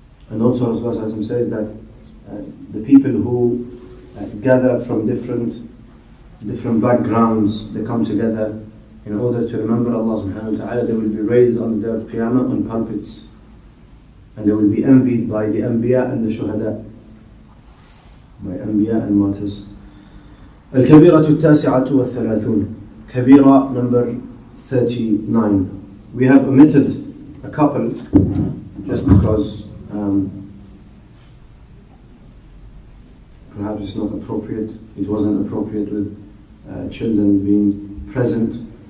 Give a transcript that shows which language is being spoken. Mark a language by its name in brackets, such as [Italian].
[English] And also Rasulullah says that the people who gather from different backgrounds, they come together in order to remember Allah subhanahu wa ta'ala, they will be raised on the day of Qiyamah on pulpits, and they will be envied by the Anbiya and the Shuhada, by Anbiya and Martyrs. [Arabic] الكبيرة التاسعة والثلاثون. [English] كبيرة number 39. We have omitted a couple just because perhaps it's not appropriate. It wasn't appropriate with children being present.